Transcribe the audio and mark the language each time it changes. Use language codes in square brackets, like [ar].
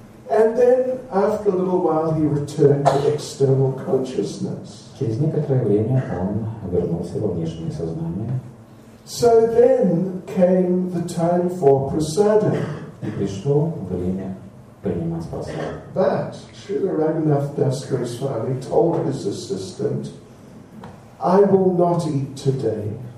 [en] And then, after a little while, he returned to external consciousness. [ru] Через некоторое время он вернулся во внешнее сознание. [en] So then came the time for prasada. [ru] И пришло время принимать прасаду. [en] But Srila Raghunath Das Goswami told his assistant, "I will not eat today."